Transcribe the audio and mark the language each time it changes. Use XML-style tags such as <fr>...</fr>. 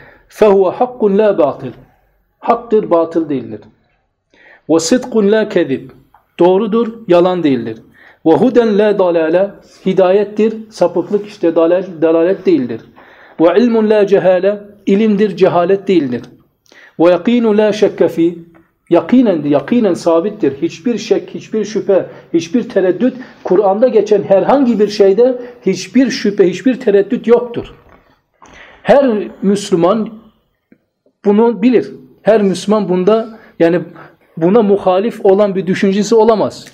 <ar>Fehuve hakkun la batıl.</ar> <tr>Haktır, batıl değildir.</tr> <ar>Ve sidkun la kezib.</ar> <tr>Doğrudur, yalan değildir.</tr> <ar>Ve huden la dalale.</ar> <tr>Hidayettir, sapıklık işte dalalet değildir.</tr> <ar>وَعِلْمٌ لَا جَهَالَ</ar> <tr>İlimdir, cehalet değildir.</tr> <ar>وَيَقِينُ لَا شَكَّ فِي</ar> <tr>Yakinen sabittir. Hiçbir şek, hiçbir şüphe, hiçbir tereddüt, Kur'an'da geçen herhangi bir şeyde hiçbir şüphe, hiçbir tereddüt yoktur. Her Müslüman bunu bilir. Her Müslüman bunda, yani buna muhalif olan bir düşüncesi olamaz.</tr>